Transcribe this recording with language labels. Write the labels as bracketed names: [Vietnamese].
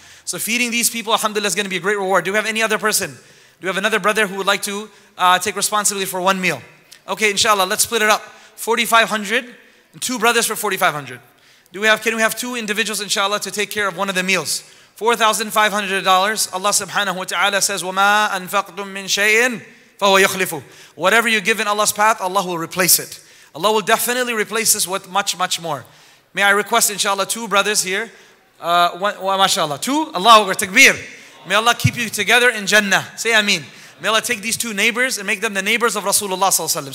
[English] So feeding these people, alhamdulillah, is going to be a great reward. Do we have any other person? Do we have another brother who would like to take responsibility for 1 meal? Okay, inshallah, let's split it up. 4,500 and 2 brothers for 4,500. Can we have 2 individuals, inshallah, to take care of one of the meals? $4,500. [Arabic] Allah subhanahu wa ta'ala [English] says, [Arabic] وَمَا أَنفَقْتُم مِّن شَيْءٍ فَهُوَ يُخْلِفُ. [English] Whatever you give in Allah's path, Allah will replace it. Allah will definitely replace this with much, much more. May I request, inshallah, 2 brothers here. MashaAllah. 2? Allahu Akbar. Takbir. May Allah keep you together in Jannah. Say Ameen. May Allah take these 2 neighbors and make them the neighbors of Rasulullah sallallahu alayhi wa sallam.